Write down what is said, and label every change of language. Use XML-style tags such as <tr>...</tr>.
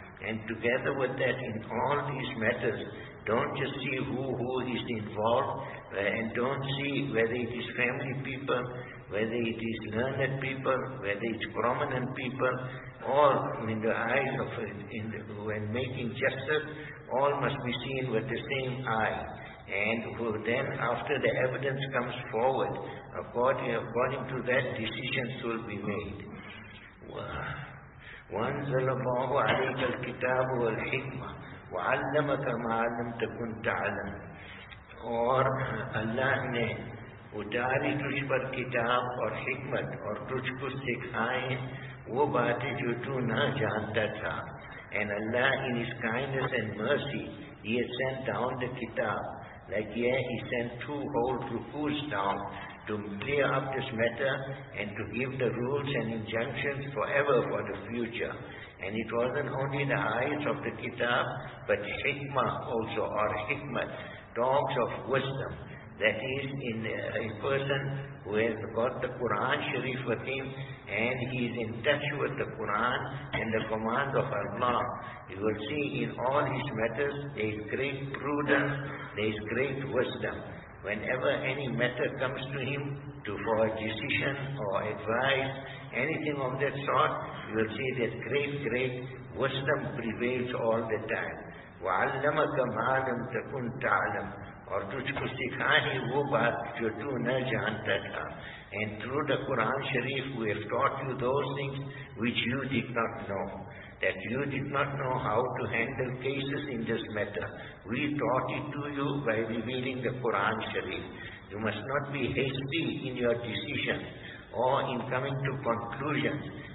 <en>And together with that, in all these matters, don't just see who is involved, and don't see whether it is family people, whether it is learned people, whether it's prominent people, all in the eyes of when making justice, all must be seen with the same eye. And then after the evidence comes forward, according to that, decisions will be made.</en> <ar>وَأَنزَلَ اللَّهُ عَلَيْكَ الْكِتَابُ وَالْحِكْمَةُ وَعَلَّمَكَ مَا لَمْ تَكُنْ تَعْلَمُ</ar> <ur>اور اللہ نے اتاری تجھ پر کتاب اور حکمت اور تجھ کو سکھائیں وہ باتیں جو تو نہ جانتا تھا.</ur> <en>And Allah in His kindness and mercy, He has sent down the kitab. Like here, He sent two whole rukus down to clear up this matter and to give the rules and injunctions forever for the future. And it wasn't only the eyes of the kitab, but hikmah also, or hikmat, dogs of wisdom. That is, in a person who has got the Quran Sharif with him, and he is in touch with the Quran and the command of Allah, you will see in all his matters there is great prudence, there is great wisdom. Whenever any matter comes to him for a decision or advice, anything of that sort, you will see that great, great wisdom prevails all the time.</en> <ar>وَعَلَّمَكَ مَا لَمْ تَكُنْ تَعْلَمْ</ar> <ur>اور تجھ کو سکھائی وہ بات جو تُو نہ جانتا تھا.</ur> <en>And through the Quran Sharif, we have taught you those things which you did not know. That you did not know how to handle cases in this matter. We taught it to you by revealing the Quran Sharif. You must not be hasty in your decision or in coming to conclusions.</en>